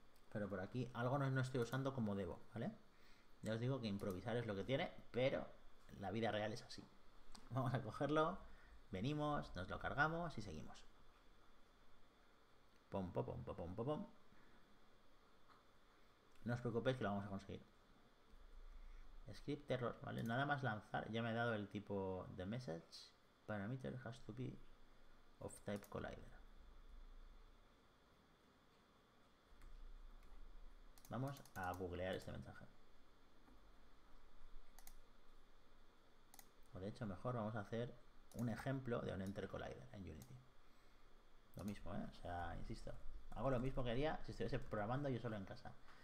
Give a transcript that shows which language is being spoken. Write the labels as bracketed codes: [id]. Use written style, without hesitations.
[es] Pero por aquí algo no estoy usando como debo, ¿vale? Ya os digo que improvisar es lo que tiene, pero la vida real es así. Vamos a cogerlo. Venimos, nos lo cargamos y seguimos. Pom, pom, pom, pom, pom, pom. No os preocupéis que lo vamos a conseguir. Script error, ¿vale? Nada más lanzar, ya me ha dado el tipo de message. [en] Parameter has to be of type collider. [es] Vamos a googlear este mensaje. O de hecho, mejor vamos a hacer un ejemplo de un enter collider en Unity. Lo mismo, ¿eh? O sea, insisto, hago lo mismo que haría si estuviese programando yo solo en casa.